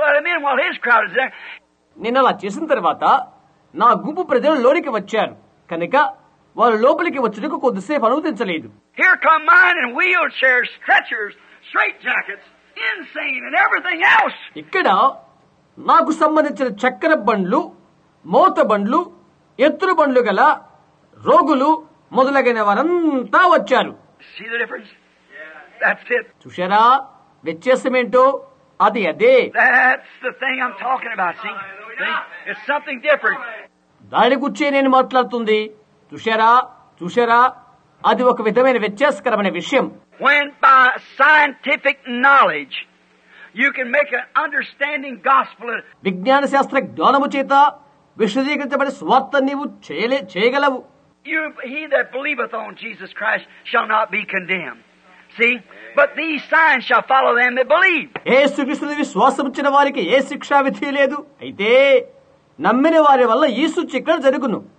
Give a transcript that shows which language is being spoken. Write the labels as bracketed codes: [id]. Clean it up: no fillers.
[te] నేను అలా చేసిన తర్వాత నా గుంపు ప్రజలు లోనికి వచ్చారు, కనుక వారు లోపలికి వచ్చినకు కొద్దిసేపు అనుమతించలేదు. [en] Here come mine and wheelchairs, stretchers, straitjackets, insane and everything else. [te] ఇక్కడ నాకు సంబంధించిన చక్కెర బండ్లు, మోత బండ్లు, ఎత్తు బండ్లు గల రోగులు మొదలగిన వారంతా వచ్చారు. [en] See the difference? That's it. [te] చూశారా వ్యత్యాసం ఏంటో? అది అదే. [en] That's the thing I'm talking about. See? It's something different. [te] దాని గురించి నేను మాట్లాడుతుంది. చూశారా చూశారా అది ఒక విధమైన వ్యత్యాసకరమైన విషయం. [en] When by scientific knowledge you can make an understanding gospel. [te] విజ్ఞాన శాస్త్ర జ్ఞానము చేత విశదీకరించబడిన సువార్త నీవు చేయగలవు. [en] You, he that believeth on Jesus Christ shall not be condemned. See? But these signs shall follow them that believe. [te] యేసు క్రీస్తుని విశ్వసించిన వారికి ఏ శిక్షావిధి లేదు. అయితే నమ్మిన వారి వల్ల ఈ సూచికలు జరుగును.